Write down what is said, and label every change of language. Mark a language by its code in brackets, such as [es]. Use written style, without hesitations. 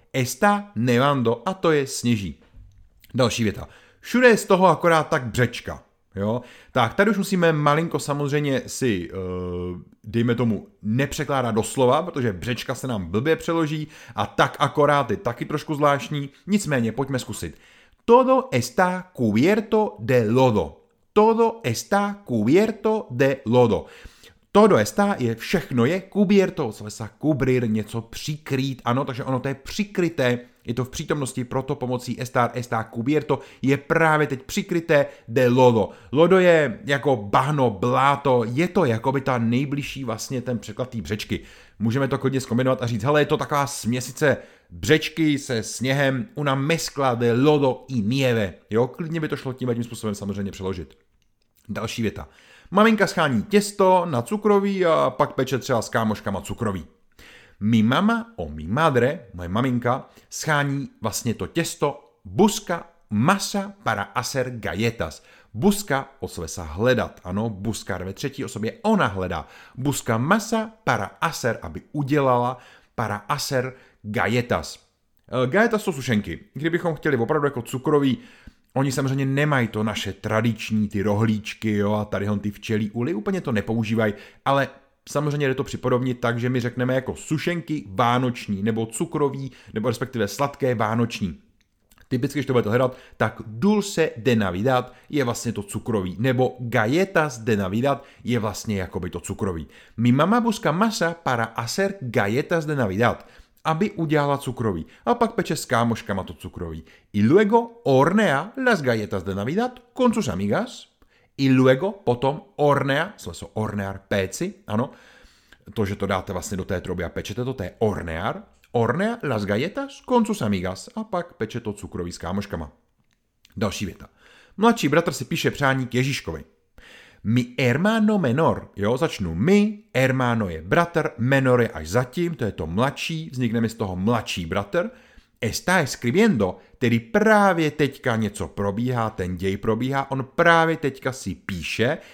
[es] Esta nevando, [cs] a to je sněží. Další věta. Všude je z toho akorát tak břečka. Jo? Tak, tady už musíme malinko samozřejmě si, dejme tomu, nepřekládat doslova, protože břečka se nám blbě přeloží a tak akorát je taky trošku zvláštní. Nicméně, pojďme zkusit. [es] Todo está cubierto de lodo. Todo está cubierto de lodo. Todo está [cs] je všechno, je cubierto, znamená se cubrir, něco přikrýt, ano, takže ono to je přikryté, je to v přítomnosti, proto pomocí estar, [es] está cubierto [cs] je právě teď přikryté de lodo. Lodo je jako bahno, bláto, je to jakoby ta nejbližší vlastně ten překlad té břečky. Můžeme to klidně zkombinovat a říct, hele, je to taková směsice břečky se sněhem, [es] una mezcla de lodo y nieve. [cs] Jo, klidně by to šlo tím způsobem samozřejmě přeložit. Další věta. Maminka schání těsto na cukroví a pak peče třeba s kámoškama cukroví. [es] Mi mama o mi madre, [cs] moje maminka, schání vlastně to těsto [es] busca masa para hacer galletas. [cs] Busca o sebe se hledat, ano, busca ve třetí osobě, ona hledá. [es] Busca masa para hacer, [cs] aby udělala [es] para hacer galletas. [cs] Galletas jsou sušenky, kdybychom chtěli opravdu jako cukroví. Oni samozřejmě nemají to naše tradiční, ty rohlíčky, jo, a tady on ty včelí uly, úplně to nepoužívají, ale samozřejmě jde to připodobnit tak, že my řekneme jako sušenky vánoční, nebo cukroví, nebo respektive sladké vánoční. Typicky, když to budete hledat, tak [es] dulce de Navidad [cs] je vlastně to cukroví, nebo [es] galletas de Navidad [cs] je vlastně jakoby to cukroví. [es] Mi mama busca masa para hacer galletas de Navidad, [cs] aby udělala cukroví. A pak peče s kámoškama to cukroví. [es] I luego hornea las galletas de Navidad con sus amigas. [cs] I luego potom hornea, sleso hornear, péci, ano. To, že to dáte vlastně do té troby a pečete to, to je hornear. [es] Hornea las galletas con sus amigas. [cs] A pak peče to cukroví s kámoškama. Další věta. Mladší bratr si píše přání k Ježíškovi. [es] Mi hermano menor, [cs] jo, začnu mi, hermano je bratr, menor je až zatím, to je to mladší, vznikne mi z toho mladší bratr. [es] Está escribiendo, [cs] tedy právě teďka něco probíhá, ten děj probíhá, on právě teďka si píše.